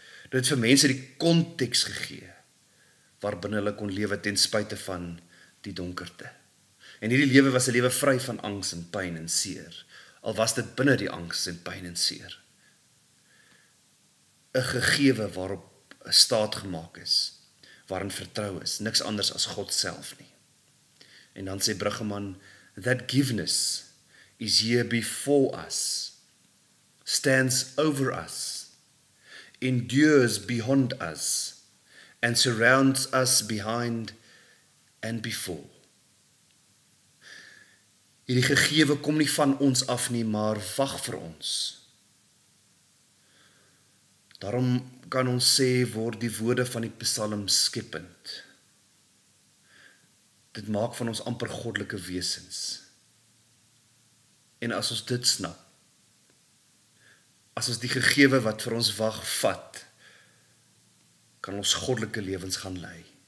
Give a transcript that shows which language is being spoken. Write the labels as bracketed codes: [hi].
[af] Dit het vir mense die konteks gegee waarbinne hulle kon lewe ten spyte van die donkerte. En hierdie lewe was 'n lewe vry van angs en pyn en seer, al was dit binne die angs en pyn en seer. 'n Gegewe waarop 'n staat gemaak is, waarin vertrou is, niks anders as God self nie. [en] En dan sê Bruggeman, that givenness is here before us, stands over us, endures beyond us, and surrounds us behind and before. [af] Hierdie gegewe kom nie van ons af nie, maar wag vir ons. Daarom kan ons sê, word die woorde van die psalm skepend. Dit maak van ons amper goddelike wesens. En as ons dit snap, as ons die gegewe wat vir ons wag vat, kan ons goddelike lewens gaan lei.